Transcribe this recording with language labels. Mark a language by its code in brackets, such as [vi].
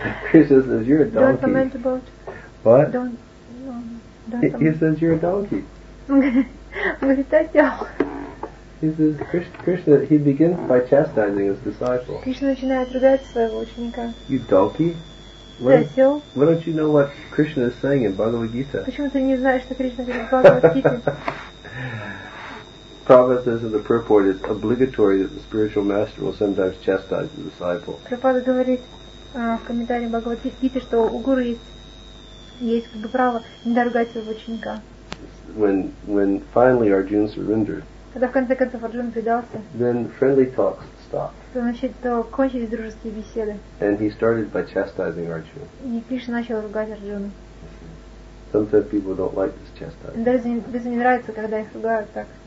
[en] Krishna says, you're a donkey. Don't comment about. What? Don't he says, you're a donkey. [ru] Говорит, ты осел. [en] He says, Krishna, he begins by chastising his disciple. [ru] Krishna начинает ругать своего ученика. [en] You donkey? Why don't you know what Krishna is saying in Bhagavad Gita? [ru] Почему ты не знаешь, что Кришна говорит в Бхагавад-гите? [en] Prabhupada says in the purport, it's obligatory that the spiritual master will sometimes chastise the disciple. [ru] Prabhupada говорит в комментарии Бхагавад-гите, что у гуру есть как бы право не ругать своего ученика. [en] When finally Arjuna surrendered, [ru] когда в конце концов Арджуна предался, [en] then friendly talks stopped. [ru] То значит, то кончились дружеские беседы. [en] And he started by chastising Arjuna. [ru] И Кришна начал ругать Арджуну. [en] Sometimes people don't like this chastising. [ru] Даже не нравится, когда их ругают так.